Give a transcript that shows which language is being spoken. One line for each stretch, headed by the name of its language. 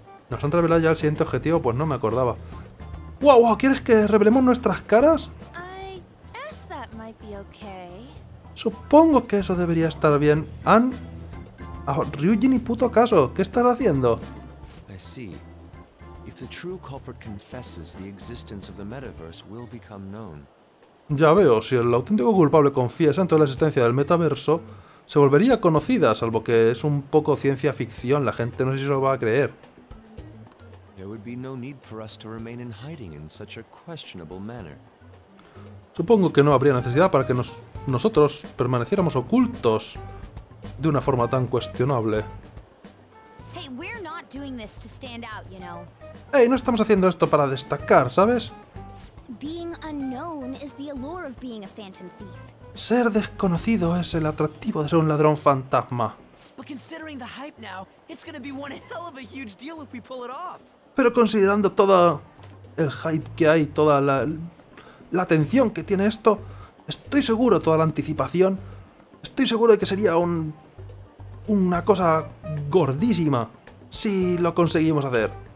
Spanish: ¿Nos han revelado ya el siguiente objetivo? Pues no me acordaba. ¡Wow! ¿Quieres que revelemos nuestras caras?
English: I guess that might be okay.
Spanish: Supongo que eso debería estar bien. ¿Han? ¿A Ryuji ni puto caso? ¿Qué estás haciendo?
English: I see. If the true culprit confesses, the existence of the metaverse will become known.
Spanish: Ya veo, si el auténtico culpable confiesa, entonces la existencia del metaverso se volvería conocida, salvo que es un poco ciencia ficción, la gente no sé si se lo va a creer.
English: There would be no need for us to remain in hiding in such a questionable manner.
Spanish: Supongo que no habría necesidad para que nosotros permaneciéramos ocultos de una forma tan cuestionable.
English: Hey, we're not doing this to stand out, you know.
Spanish: Hey, no estamos haciendo esto para destacar, ¿sabes?
English: Being unknown is the allure of being a phantom thief.
Spanish: Ser desconocido es el atractivo de ser un ladrón fantasma.
English: But considering the hype now, it's gonna be one hell of a huge deal if we pull it off.
Spanish: Pero considerando todo el hype que hay, toda la atención que tiene esto, estoy seguro, toda la anticipación, estoy seguro de que sería una cosa gordísima si lo conseguimos hacer.